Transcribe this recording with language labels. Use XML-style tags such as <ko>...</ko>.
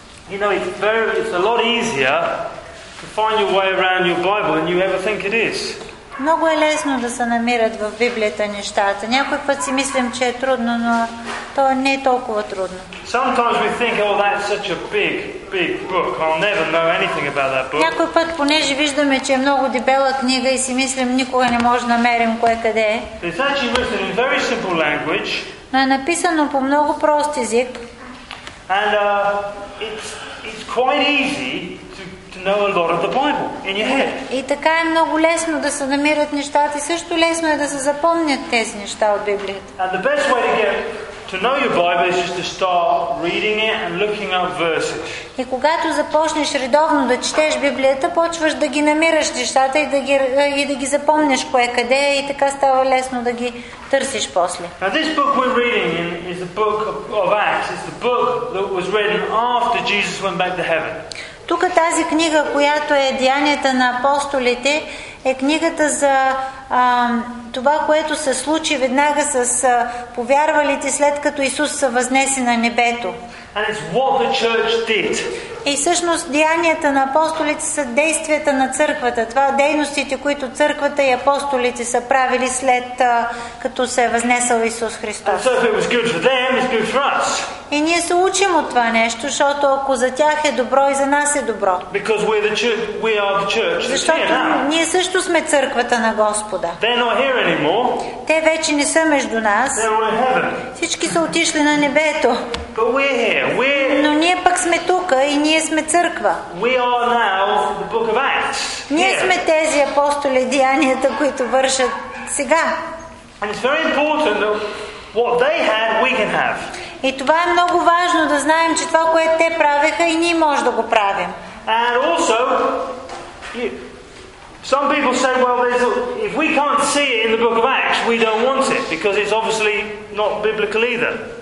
<en>You know, it's a lot easier to find your way around your Bible than you ever think it is.</en> <bg>Много е лесно да се намират в Библията нещата. Някой път си мислим, че е трудно, но то не е толкова трудно.</bg> <en>Sometimes we think, oh, that's such a big book. I'll never know anything about that book.</en> <bg>Някой път, понеже виждаме, че е много дебела книга и си мислим, никога не може да намерим кое къде е.</bg> <en>It's actually written in very simple language.</en> <bg>Но е написано по много прост език.</bg> <en>And it's quite easy know a lot of the Bible in your head.</en> <bg>И така е много лесно да се намират нещата и също лесно е да се запомнят тези неща от Библията.</bg> <en>And the best way to get to know your Bible is just to start reading it and looking up verses.</en> <bg>И когато започнеш редовно да четеш Библията, почваш да ги намираш нещата и да ги запомнеш кое къде е и така става лесно да ги търсиш после.</bg> <en>Now this book we're reading in is the book of Acts. It's the book that was written after Jesus went back to heaven.</en> <bg>Тук тази книга, която е Деянията на апостолите, е книгата за това, което се случи веднага с повярвалите, след като Исус се възнесе на небето.</bg> <en>And it's what the church did.</en> <bg>И всъщност Деянията на апостолите са действията на църквата, това дейностите, които църквата и апостолите са правили след като се е възнесъл Исус Христос.</bg> <en>And so if it was good for them, it's good for us.</en> <bg>И ние се учим от това нещо, защото ако за тях е добро, и за нас е добро.</bg> <en>Because we're the church, we are the church.</en> <bg>Защото ние също сме църквата на Господа.</bg> <en>They're not here anymore.</en> <bg>Те вече не са между нас.</bg> <en>They're all in heaven.</en> <bg>Всички са отишли на небето.</bg> <en>But we're here.</en> <bg>Но ние пък сме тука и ние сме църква.</bg> <en>We are now the book of Acts.</en> <bg>Ние сме тези апостоли, деянията, които вършат сега.</bg> <en>And it's very important that what they had, we can have.</en> <bg>И това е много важно да знаем, че това, което те правеха, и ние може да го правим.</bg> <en>And also, some people say, well, if we can't see it in the book of Acts, we don't want it, because it's obviously not biblical either.</en>